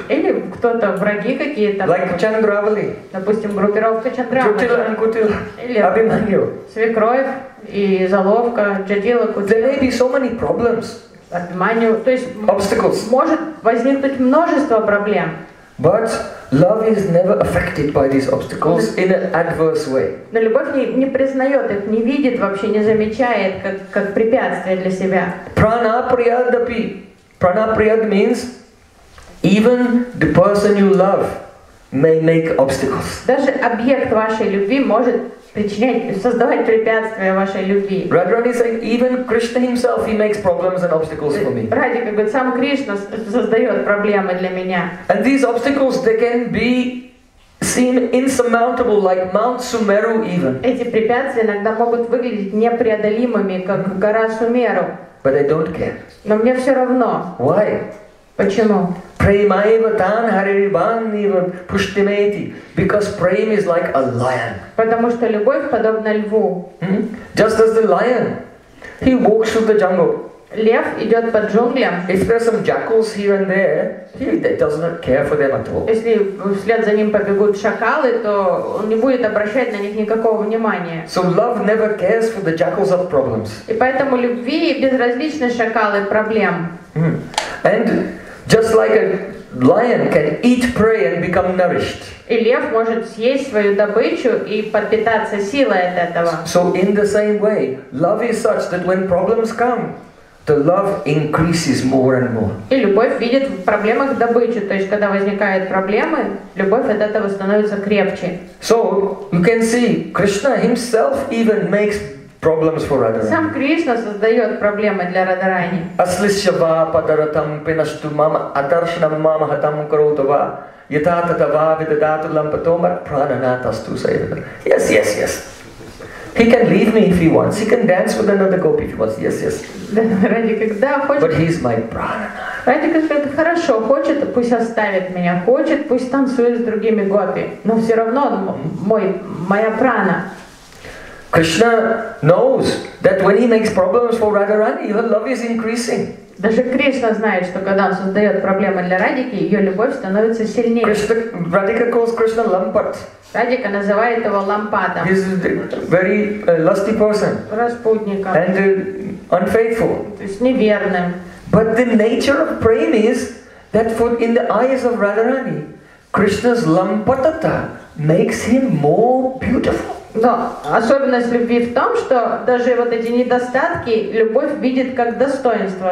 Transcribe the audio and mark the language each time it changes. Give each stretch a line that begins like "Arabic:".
Russian: Или кто-то враги какие-то.
English: Like Чандравали.
Russian: Допустим, группировка Чандравали. Свекровь и заловка Джадила Кутила.
English: There may be so many problems.
Russian: Обманю. То есть
English: obstacles.
Russian: Может возникнуть множество проблем.
English: But love is never affected by these obstacles in an adverse way.
Russian: Но любовь не признает их, не видит вообще, не замечает как препятствие для себя.
Sanskrit: Pranapriyadapi.
English: Pranapriyad means even the person you love may make obstacles.
Russian: Даже объект вашей любви может причинять, создавать препятствия вашей любви.
English: Radharani says, even Krishna himself he makes problems and obstacles for me.
Russian: Радхи говорит, сам Кришна создает проблемы для меня.
English: And these obstacles they can be seem insurmountable, like Mount Sumeru even.
Russian: Эти препятствия иногда могут выглядеть непреодолимыми, как гора Сумеру.
English: But I don't care.
Russian: Но мне все равно.
English: Why?
Russian: Почему?
Sanskrit: Premaiva tan hariribaniva pushtimeti.
English: Because prema is like a lion.
Russian: Потому что любовь подобна льву.
English: Just as the lion, he walks through the jungle.
Russian: Лев идет по джунглям.
English: If there are some jackals here and there, he does not care for them at all.
Russian: Если вслед за ним побегут шакалы, то он не будет обращать на них никакого внимания.
English: So love never cares for the jackals of problems.
Russian: И поэтому любви безразличны шакалы проблем.
English: And just like a lion can eat prey and become nourished.
Russian: И лев может съесть свою добычу и подпитаться силой от этого.
English: So in the same way, love is such that when problems come, the love increases more and more.
Russian: И любовь видит в проблемах добычу, то есть когда возникают проблемы, любовь от этого становится крепче.
English: So you can see, Krishna himself even makes problems for Radharani.
Russian: Сам Кришна создает проблемы для Радарани.
Sanskrit: Аслишьява падаратам пинашту мама адаршнам мама хатам кроутава ятататава видадату лампатомар прананатасту сайдана.
English: Yes, yes, yes. He can leave me if he wants. He can dance with another gopi if he wants. Yes, yes. But he's my prana.
Russian: Радика говорит, хорошо, хочет, пусть оставит меня, хочет, пусть танцует с другими гопи. Но все равно он моя прана.
English: Krishna knows that when he makes problems for Radharani, her love is increasing.
Russian: Даже Кришна знает, что когда он создает проблемы для Радики, ее любовь становится сильнее.
English: Radhika calls Krishna Lampat.
Russian: Радика называет его Лампатом.
English: He's a very lusty person.
Russian: Распутником.
English: And unfaithful.
Russian: То есть неверным.
English: But the nature of prema is that for in the eyes of Radharani, Krishna's Lampatata makes him more beautiful.
Russian: Но особенность любви в том, что даже вот эти недостатки любовь видит как достоинство.